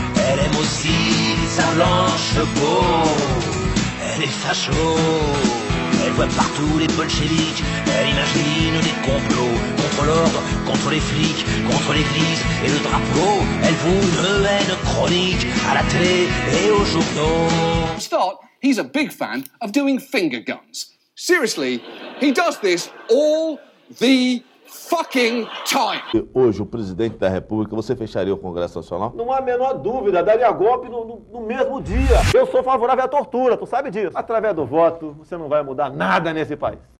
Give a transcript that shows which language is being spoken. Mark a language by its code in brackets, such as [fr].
[fr] Elle aime aussi sa blanche peau. Elle est facho. Elle voit partout les bolcheviks, elle imagine des complots contre l'ordre, contre les flics, contre l'église et le drapeau. Elle voue une haine chronique à la télé et aux journaux. [en] He's thought he's a big fan of doing finger guns. Seriously, he does this all the fucking time. [pt] Hoje, o presidente da República, você fecharia o Congresso Nacional? Não há a menor dúvida, daria golpe no mesmo dia. Eu sou favorável à tortura, tu sabe disso. Através do voto, você não vai mudar nada nesse país.